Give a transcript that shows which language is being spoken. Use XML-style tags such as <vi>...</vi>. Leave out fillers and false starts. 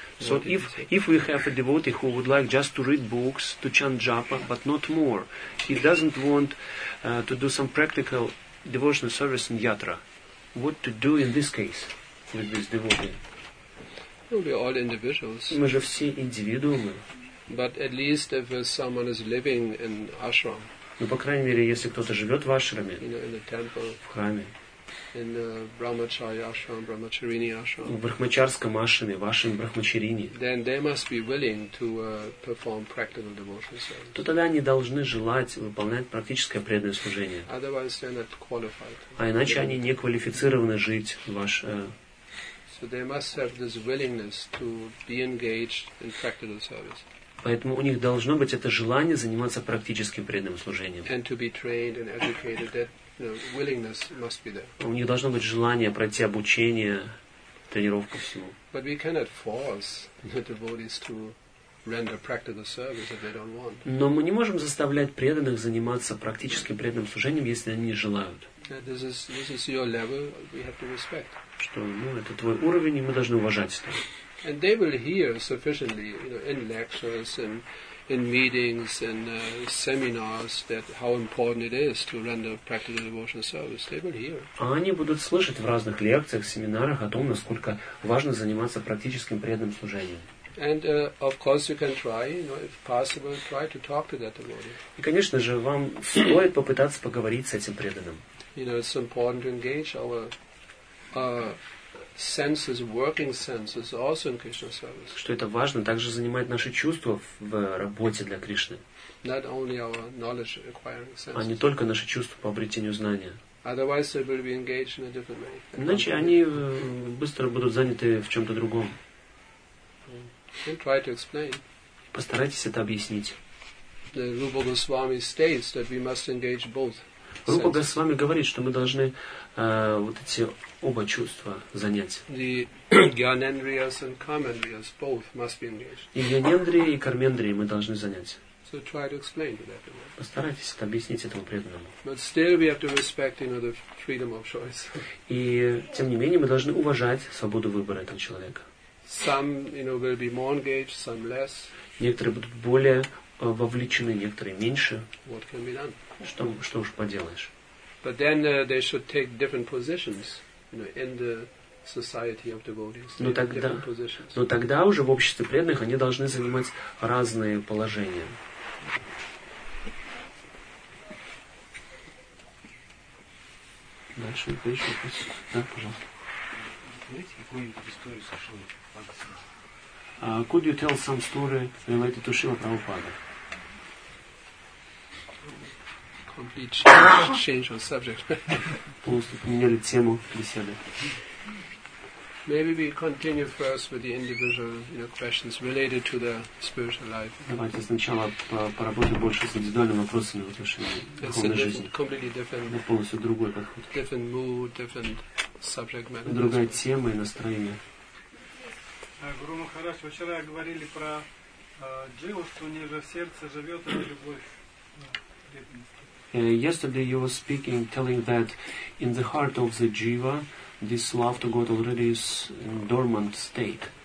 <en>So if we have a devotee who would like just to read books, to chant japa, but not more, he doesn't want to do some practical devotional service in yatra, what to do in this case with this devotee? We're all individuals.</en> <ru>Мы же все индивидуумы.</ru> <en>But at least if someone is living in ashram.</en> <ru>Ну по крайней мере, если кто-то живет в ашраме.</ru> <en>You know, in the temple.</en> <ru>В храме.</ru> <en>In the Brahmachari ashram, Brahmacharini ashram.</en> <ru>В брахмачарском ашраме, вашем брахмачарине.</ru> <en>Then they must be willing to perform practical devotional service.</en> <ru>То тогда они должны желать выполнять практическое преданное служение.</ru> <en>Otherwise they're not qualified.</en> <ru>А иначе они не квалифицированы жить в ваш.</ru> <en>So they must have this willingness to be engaged in practical service.</en> <ru>Поэтому у них должно быть это желание заниматься практическим преданным служением.</ru> <en>And to be trained and educated. That willingness must be there.</en> <ru>У них должно быть желание пройти обучение, тренировку всему.</ru> <en>But we cannot force the devotees to render practical service if they don't want.</en> <ru>Но мы не можем заставлять преданных заниматься практическим преданным служением, если они не желают.</ru> <en>This is your level. We have to respect.</en> <ru>Что, ну, это твой уровень, и мы должны уважать это.</ru> <en>And they will hear sufficiently, you know, in lectures and in meetings and seminars that how important it is to render practical devotional service. They will hear.</en> <ru>А они будут слышать в разных лекциях, семинарах о том, насколько важно заниматься практическим преданным служением.</ru> <en>And of course you can try, you know, if possible, try to talk to that devotee.</en> <ru>И конечно же вам стоит попытаться поговорить с этим преданным.</ru> <en>You know, it's important to engage our senses, working senses, also in Krishna service.</en> <ru>Что это важно, также занимает наши чувства в работе для Кришны.</ru> <en>Not only our knowledge acquiring senses.</en> <ru>А не только наши чувства по обретению знания.</ru> <en>Otherwise they will be engaged in a different way.</en> <ru>Иначе они быстро будут заняты в чем-то другом.</ru> <en>And try to explain.</en> <ru>Постарайтесь это объяснить.</ru> <en>The Rupa Goswami states that we must engage both.</en> <ru>Рупа Госвами говорит, что мы должны вот эти оба чувства занять. И Гьянендрия, и Кармендрия мы должны занять.</ru> <en>So try to explain to that.</en> <ru>Постарайтесь это объяснить этому преданному.</ru> <en>But still we have to respect, you know, the freedom of choice.</en> <ru>И тем не менее мы должны уважать свободу выбора этого человека.</ru> <en>Some, you know, will be more engaged, some less.</en> <ru>Некоторые будут более вовлечены, некоторые меньше.</ru> <en>What can be done?</en> <ru>Что уж поделаешь.</ru> <en>But then they should take different positions, you know, in the society of devotees.</en> <ru>Но тогда уже в обществе преданных они должны занимать разные положения. Дальше вы пишете, да, пожалуйста.</ru> <en>Could you tell some story related to Srila Prabhupada? Complete change of subject.</en> <ru>Полностью поменяли тему беседы.</ru> <en>Maybe we continue first with the individual, you know, questions related to the spiritual life.</en> <ru>Давайте сначала поработаем больше с индивидуальными вопросами в отношении духовной жизни.</ru> <en>Completely different.</en> <ru>Это полностью другой подход.</ru> <en>Different mood, different subject matter.</en> <ru>Другая тема и настроение. Гуру Махарадж, вчера говорили про дживу, что у нее же в сердце живет любовь.</ru> <en>Yesterday you were speaking, telling that in the heart of the jiva, this love to God already is in dormant state.</en>